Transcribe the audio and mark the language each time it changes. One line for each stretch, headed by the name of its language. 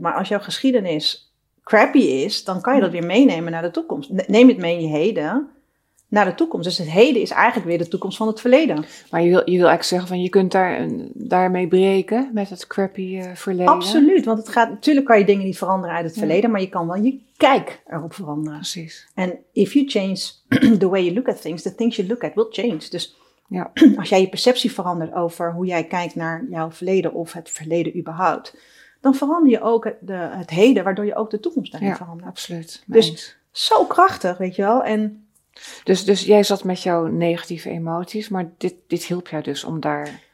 Dutch: Maar als jouw geschiedenis crappy is, dan kan je dat weer meenemen naar de toekomst. Neem het mee in je heden naar de toekomst. Dus het heden is eigenlijk weer de toekomst van het verleden. Maar je wil eigenlijk zeggen, van je kunt daarmee breken met het crappy verleden? Absoluut, want het gaat natuurlijk kan je dingen niet veranderen uit het verleden, maar je kan wel je kijk erop veranderen. Precies.
English: En if you change the way you look at things, the things you look at will change.
Dutch: Dus ja. Als jij je perceptie verandert over hoe jij kijkt naar jouw verleden of het verleden überhaupt, dan verander je ook het heden, waardoor je ook de toekomst daarin verandert. Absoluut. Dus zo krachtig, weet je wel. En dus jij zat met jouw negatieve emoties, maar dit hielp jou dus om daar...